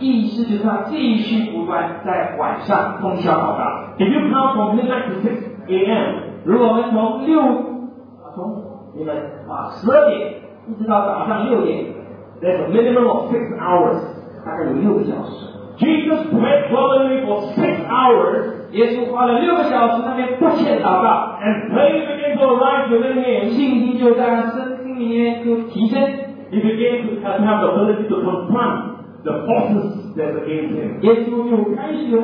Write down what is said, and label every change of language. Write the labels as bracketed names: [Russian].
[Chinese] 意思就是他继续不断在晚上通宵祷告。 [English] If you count from midnight to 6 a.m. [Chinese] 如果我们从十二点一直到早上六点， [English] there's a minimum of 6 hours. [Chinese] 大概有六个小时。 [English] Jesus prayed fervently for 6 hours. [Chinese] 耶稣花了六个小时在那边不懈祷告。 [English] And praying began to arise within him. [Chinese] 信心就在他心里面就提升。 [English] He began to have the ability to confront the forces that are against him.